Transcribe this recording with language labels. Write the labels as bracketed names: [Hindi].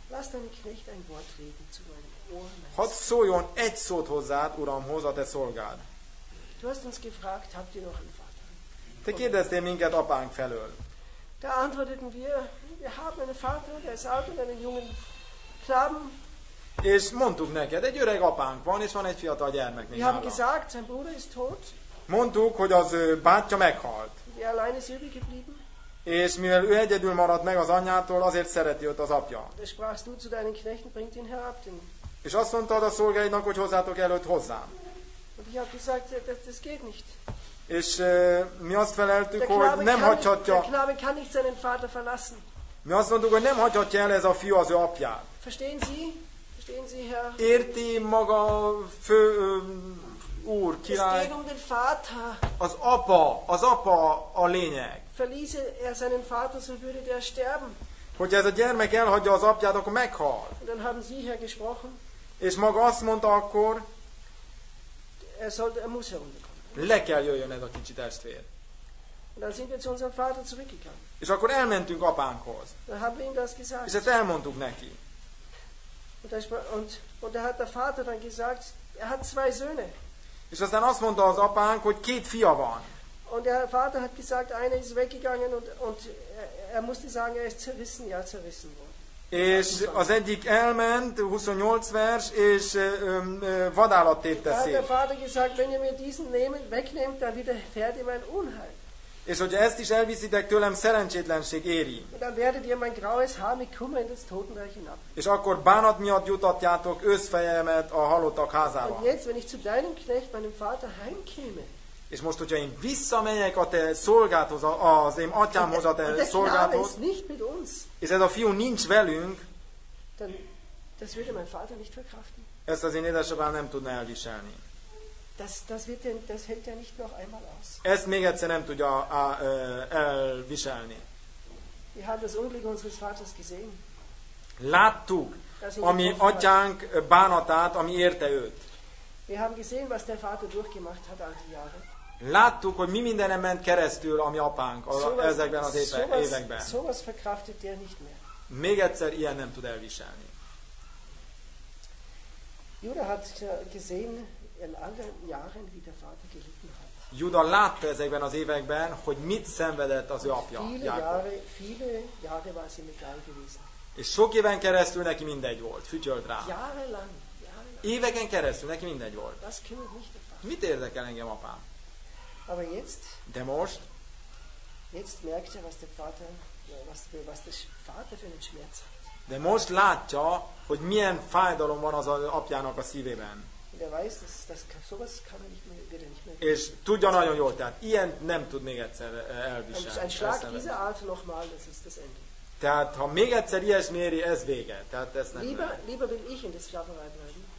[German] Lass deinen Knecht ein Wort reden zu meinem Ohr. [Hungarian] Hadd szóljon egy szót hozzád, Uramhoz, a te szolgád. [German] Du hast uns gefragt, habt ihr noch einen Vater? [Hungarian] Te kérdeztél minket apánk felől. [German] Da antworteten wir haben einen Vater, der ist alt und einen jungen Knaben. [Hungarian] És mondtuk neked, egy öreg apánk van, és van egy fiatal gyermek nála. [German] Wir haben gesagt, sein Bruder ist tot. [Hungarian] Mondtuk, hogy az bátyja meghalt. [German] Er allein ist übrig geblieben. [Hungarian] És mivel ő egyedül maradt meg az anyától, azért szereti őt az apja. [German] Da sprachst du zu deinen Knechten, bringt ihn herab. [Hungarian] És azt mondtad a szolgáidnak, hogy hozzátok előtt hozzám. [German] Und ich habe gesagt, das geht nicht. [Hungarian] És mi azt feleltük, hogy nem hagyhatja... [German] Der Knabe kann nicht seinen Vater verlassen. [Hungarian] Mi azt mondtuk, hogy nem hagyhatja el ez a fiú az ő apját. [German] Verstehen Sie? Verstehen Sie, Herr? [Hungarian] Érti maga fő úr, király? [German] Es geht um den Vater. [Hungarian] Az apa a lényeg. [German] Verließe er seinen Vater, so würde der sterben. [Hungarian] Hogyha ez a gyermek elhagyja az apját, akkor meghal. [German] Und dann haben Sie, Herr, gesprochen. [Hungarian] És maga azt mondta akkor... [German] Er muss herunter. [Hungarian] Le kell jöjjön ez a kicsi testvér. [German] Dann sind wir zu unserem Vater zurückgegangen. [Hungarian] És akkor elmentünk apánkhoz. [German] Dann haben wir ihm das gesagt. [Hungarian] És ezt elmondtuk neki. [German] Und hat der Vater dann gesagt, hat zwei Söhne. [Hungarian] És aztán azt mondta az apánk, hogy két fia van. [German] Und der Vater hat gesagt, einer ist weggegangen und er musste sagen, er ist zerrissen, ja zerrissen worden. [Hungarian] És az egyik elment, 28 vers, és vadállat tépte szét. [German] Der Vater gesagt, wenn ihr mir diesen wegnehmt, dann wiederfährt ihr mein Unheil. [Hungarian] És hogyha ezt is elviszitek tőlem, szerencsétlenség éri. [German] Dann werdet ihr mein graues Haar mit Kummer in das Totenreich hinab. [Hungarian] És akkor bánat miatt jutatjátok őszfejemet a halottak házába. [German] Und jetzt, wenn ich zu deinem Knecht, meinem Vater heimkäme. [Hungarian] És most, hogyha én visszamegyek a te szolgádhoz, az én atyámhoz, a te szolgádhoz, és ez a fiú nincs velünk, [German] das würde mein Vater nicht verkraften. [Hungarian] Ezt az én édesapám nem tudna elviselni. [German] Das hält er nicht noch einmal aus. [Hungarian] Ezt még egyszer nem tudja elviselni. [German] Wir haben das Unglück unseres Vaters gesehen. [Hungarian] Láttuk a mi atyánk bánatát, ami érte őt. [German] Wir haben gesehen, was der Vater durchgemacht hat all die Jahre. [Hungarian] Láttuk, hogy mi mindenen ment keresztül a mi apánk ezekben az években. [German] Sowas verkraftet der nicht mehr. [Hungarian] Még egyszer ilyen nem tud elviselni. [German] Judah hat gesehen in anderen Jahren, wie der Vater gelitten hat. [Hungarian] Judah látta ezekben az években, hogy mit szenvedett az ő apja. [German] Viele Jahre war es ihm egal gewesen. [Hungarian] És sok éven keresztül neki mindegy volt, fütyölt rá. [German] Jahrelang. [Hungarian] Éveken keresztül neki mindegy volt. [German] Das kümmert mich der Vater. [Hungarian] Mit érdekel engem apám? [German] Aber jetzt? [Hungarian] De most? [German] Jetzt merkt er, was der Vater, was der Vater für einen Schmerz hat. [Hungarian] De most látja, hogy milyen fájdalom van az apjának a szívében. [German] Der weiß, dass sowas kann er nicht mehr, wird er nicht mehr. [Hungarian] És tudja nagyon jól, tehát ilyen nem tud még egyszer elviselni. [German] Ein Schlag dieser Art nochmal, das ist das Ende. [Hungarian] Tehát ha még egyszer ilyesmi éri, ez vége. Tehát ez nem. [German] Lieber will ich in der Sklaverei bleiben.